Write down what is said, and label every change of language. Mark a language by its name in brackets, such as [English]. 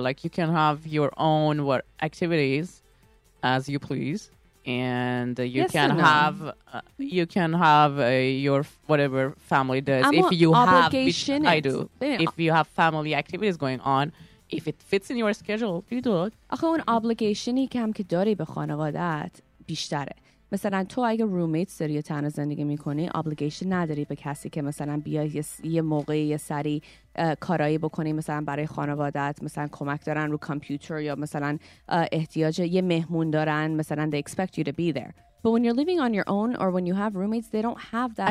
[English] Like, you can have your own activities as you please. And you can have your family does. If you have family activities going on, if it fits in your schedule, you do it. [Persian] آخه اون obligationی که هم که داری به خانوادت بیشتره. مثلا تو اگه رومیت داری و تنها زندگی میکنی، obligation نداری به کسی که مثلا بیای یه موقعی یه سری کارایی بکنی، مثلا برای خانوادت، مثلا کمک دارن رو کامپیوتر یا مثلا احتیاج یه مهمون دارن، مثلا [English] they expect you to be there. But when you're living on your own or when you have roommates, they don't have that.